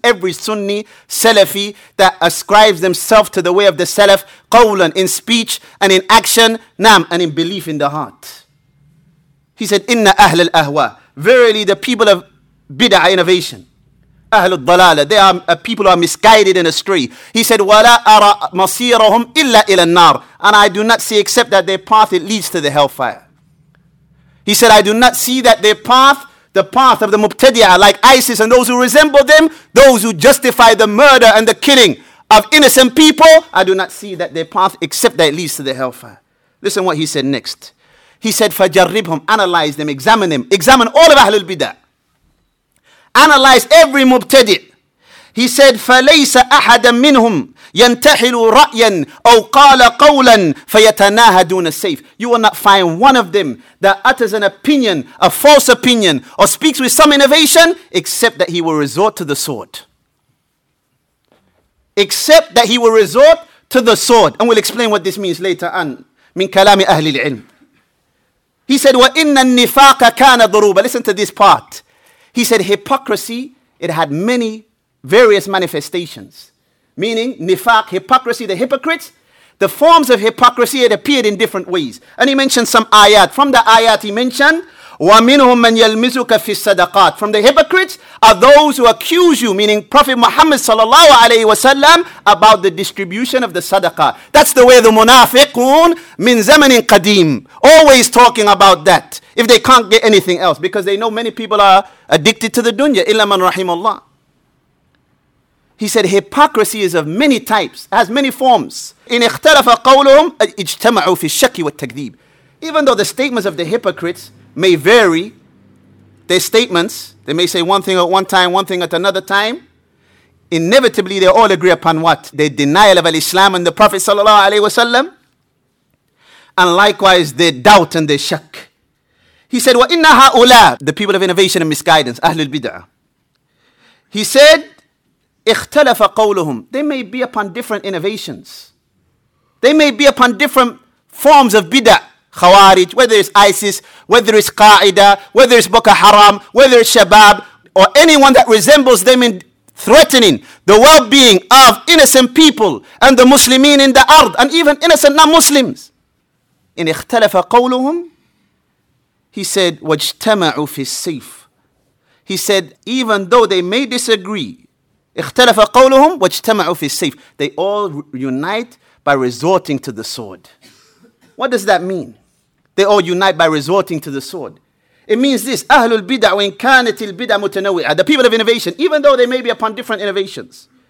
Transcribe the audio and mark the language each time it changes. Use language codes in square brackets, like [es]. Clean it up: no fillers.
[en] Every Sunni, Salafi, that ascribes themselves to the way of the Salaf, qawlan, in speech and in action, nam, and in belief in the heart. He said, [ar] Inna ahl al ahwa. [en] Verily, the people of bid'ah innovation. Ahlul Dalala, they are a people who are misguided and astray. He said, [ar] وَلَا أَرَى مَصِيرَهُمْ إِلَّا إِلَى النَّارِ. [en] And I do not see except that their path, it leads to the hellfire. He said, I do not see that their path, the path of the Mubtadi'ah, like ISIS and those who resemble them, those who justify the murder and the killing of innocent people, I do not see that their path except that it leads to the hellfire. Listen what he said next. He said, [ar] فَجَرِّبْهُمْ. [en] Analyze them, examine them, examine all of Ahlul Bid'ah. Analyze every mubtadi. [ar] He said, فَلَيْسَ أَحَدًا مِّنْهُمْ يَنْتَحِلُ رَأْيًا أَوْ قَالَ قَوْلًا فَيَتَنَاهَ دُونَ السَّيْفِ. [en] You will not find one of them that utters an opinion, a false opinion, or speaks with some innovation, except that he will resort to the sword. Except that he will resort to the sword. And we'll explain what this means later on. [ar] مِنْ كَلَامِ أَهْلِ الْعِلْمِ. [en] He said, [ar] وَإِنَّ النِّفَاقَ كَانَ ضُرُوبًا. [en] Listen to this part. He said, hypocrisy, it had many various manifestations. Meaning, nifaq, hypocrisy, the hypocrites, the forms of hypocrisy, it appeared in different ways. And he mentioned some ayat. From the ayat, he mentioned, [ar] وَمِنْهُمْ مَنْ يَلْمِزُكَ فِي الصَّدَقَاتِ. [en] From the hypocrites are those who accuse you, meaning Prophet Muhammad sallallahu alayhi wa sallam, about the distribution of the sadaqah. That's the way the munafiqun min zamanin qadim. Always talking about that. If they can't get anything else, because they know many people are addicted to the dunya. Illa man rahimallah. He said, hypocrisy is of many types, has many forms. [ar] In اختلف قولهم اجتمعوا في الشك والتكذيب. [en] Even though the statements of the hypocrites may vary, their statements, they may say one thing at one time, one thing at another time, inevitably they all agree upon what? Their denial of al-Islam and the Prophet sallallahu alayhi wa sallam, and likewise their doubt and their shak. He said, [ar] وَإِنَّ هَؤُلَىٰ, [en] the people of innovation and misguidance, Ahlul Bid'ah. He said, [ar] اِخْتَلَفَ قَوْلُهُمْ. [en] They may be upon different innovations. They may be upon different forms of bid'ah, Khawarij, whether it's ISIS, whether it's Qaeda, whether it's Boko Haram, whether it's Shabab, or anyone that resembles them in threatening the well-being of innocent people and the Muslimin in the earth, and even innocent non-Muslims. [ar] إِنْ اِخْتَلَفَ قَوْلُهُمْ. [en] He said, [ar] وَاجْتَمَعُوا فِي السَّيْفِ. [en] He said, even though they may disagree, [ar] اِخْتَلَفَ قَوْلُهُمْ وَاجْتَمَعُوا فِي السَّيْفِ. [en] They all unite by resorting to the sword. What does that mean? They all unite by resorting to the sword. It means this, Ahlul Bid'ah [ar] wa in kanat al bid'ah mutanawwi'ah, [en] the people of innovation, even though they may be upon different innovations.